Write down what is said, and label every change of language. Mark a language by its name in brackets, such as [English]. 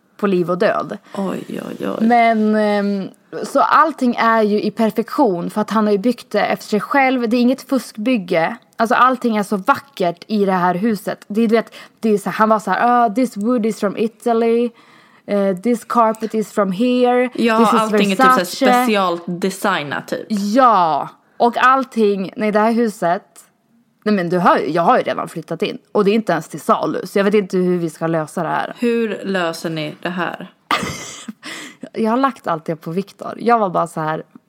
[Swedish] På liv och död. Oj, oj, oj. Men så allting är ju i perfektion. För att han har ju byggt det efter sig själv. Det är inget fuskbygge. Alltså allting är så vackert i det här huset. Du vet, det är så, han var så här, [English] oh, this wood is from Italy. This carpet is from here. [Swedish] Ja, [English] this [Swedish] allting is, Versace. Är typ så specialt designat typ. Ja. Och allting, nej, det här huset, nej men du hör, jag har ju redan flyttat in. Och det är inte ens till salu, så jag vet inte hur vi ska lösa det här. Hur löser ni det här? Jag har lagt allt det på Victor. Jag var bara så här.